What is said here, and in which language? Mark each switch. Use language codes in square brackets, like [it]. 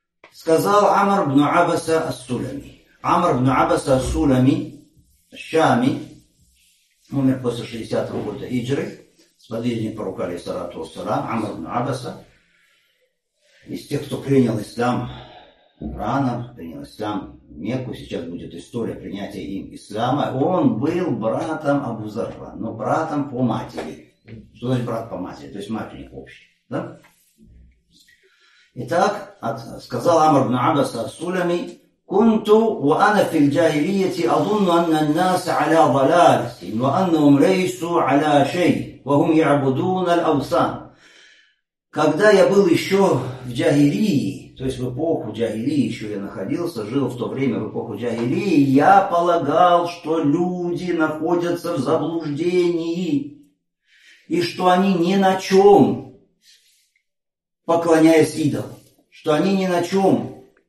[ru] Сказал Амр ибн Абаса ас-Сулами. Амр ибн Абаса ас-Сулами, Шами, умер после 60-го года хиджры, сподвижник пророка, алейхиссалату вассалям, Амр ибн Абаса, из тех, кто принял ислам рано, принял ислам в Мекку, сейчас будет история принятия им ислама, он был братом Абу Зарра, но братом по матери. Что значит брат по матери? То есть мать у них общая. Да? Итак, сказал Амр ибн Абаса ас-Сулами, [ar] كنت وأنا في الجاهلية أظن أن الناس على ضلال وأنهم ليسوا على شيء وهم يعبدون الأوثان. [ru] Когда я был еще в джахилии, то есть в эпоху джахилии еще я находился, жил в то время в эпоху джахилии, я полагал, что люди находятся в заблуждении и что они ни на чем поклоняясь идолам, что они ни на чем.